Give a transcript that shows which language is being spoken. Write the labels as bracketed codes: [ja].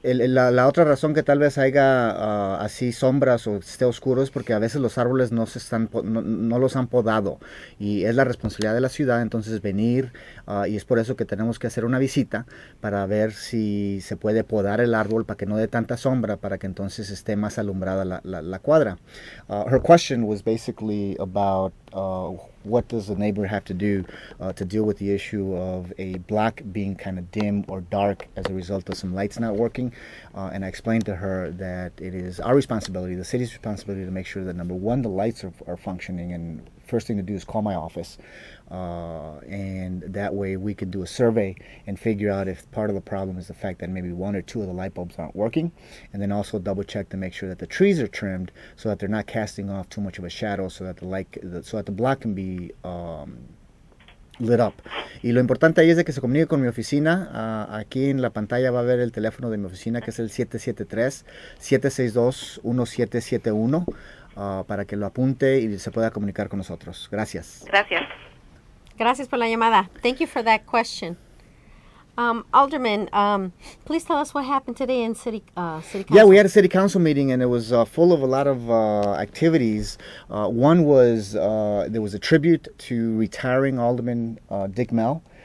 [es] la otra razón que tal vez haya así sombras o esté oscuro es porque a veces los árboles no se están no los han podado y es la responsabilidad de la ciudad entonces venir y es por eso que tenemos que hacer una visita para ver si se puede podar el árbol para que no dé tanta sombra para que entonces esté más alumbrada la cuadra. [en] Her question was basically about what does the neighbor have to do to deal with the issue of a block being kind of dim or dark as a result of some lights not working? And I explained to her that it is our responsibility, the city's responsibility, to make sure that number one, the lights are functioning, and first thing to do is call my office. And that way we could do a survey and figure out if part of the problem is the fact that maybe one or two of the light bulbs aren't working. And then also double check to make sure that the trees are trimmed so that they're not casting off too much of a shadow so that so that the block can be lit up. [es] Y lo importante ahí es de que se comunique con mi oficina. Aquí en la pantalla va a ver el teléfono de mi oficina que es el 773-762-1771 para que lo apunte y se pueda comunicar con nosotros. Gracias. Gracias. Gracias por la llamada. [en] Thank you for that question. Alderman, please tell us what happened today in city Yeah, we council. had a city council meeting and it was full of a lot of activities. One was there was a tribute to retiring Alderman Dick Mell.